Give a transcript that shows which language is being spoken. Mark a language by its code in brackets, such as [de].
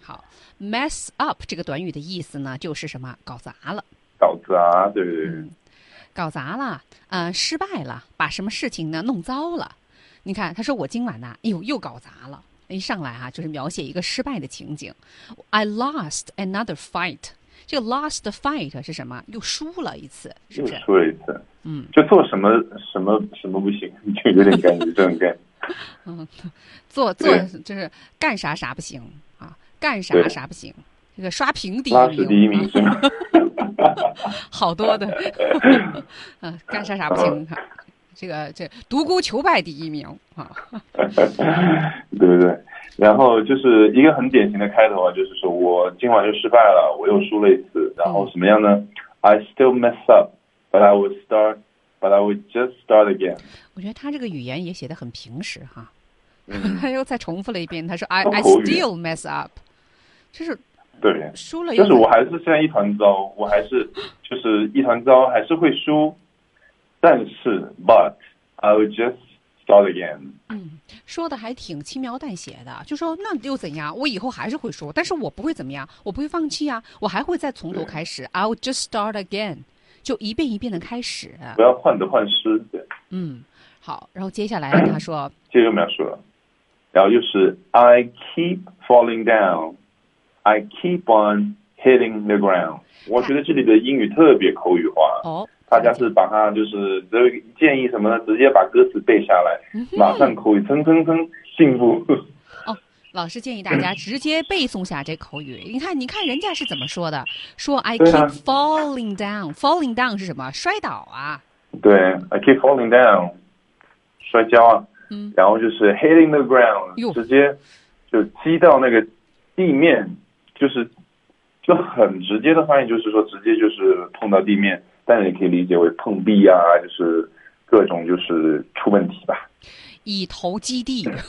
[zh] 好 ，mess up 这个短语的意思呢，就是什么搞砸了。搞砸，对对对、嗯，搞砸了，失败了，把什么事情呢弄糟了？你看，他说我今晚呐、啊，哎呦又搞砸了。一上来哈、啊，就是描写一个失败的情景。 [en] I lost another fight， 这个 lost the fight [zh] 是什么？又输了一次，是不是？又输了一次，嗯，就做什么什么什么不行，就有点感觉这种感觉。嗯，做就是干啥啥不行啊，干啥啥不行。这个刷屏第一名，拉屎第一名是吗？好多的，嗯，干啥啥不行，这独孤求败第一名啊，对不对？然后就是一个很典型的开头啊，就是说我今晚又失败了，我又输了一次，然后什么样呢 ？ [en] I still mess up, but I will start, but I will just start again。 [zh] 我觉得他这个语言也写得很平实哈，他又再重复了一遍，他说 [en] I still mess up， [zh] 就是。对，输了，就是我还是现在一团糟，我还是就是一团糟，还是会输。但是 [en] ，but I will just start again。 [zh] 嗯，说的还挺轻描淡写的，就说那又怎样？我以后还是会输，但是我不会怎么样，我不会放弃啊，我还会再从头开始。 [en] I will just start again， [zh] 就一遍一遍的开始。不要患得患失，对。嗯，好，然后接下来他说，接着描述，然后就是 [en] I keep falling down。 I keep on hitting the ground。 [zh] 我觉得这里的英语特别口语化。哦，大家是把它就是建议什么呢？直接把歌词背下来，马上口语蹭蹭蹭进步。哦，老师建议大家直接背诵下这口语。你看，你看人家是怎么说的？ [en] 说 I keep falling down。 [zh] Falling down 是什么？摔倒啊。 [en] 对 ，I keep falling down， [zh] 摔跤啊。嗯。然后就是 [en] hitting the ground， [zh] 直接就击到那个。地面就是就很直接的翻译就是说直接就是碰到地面，但也可以理解为碰壁啊，就是各种就是出问题吧。以头击地，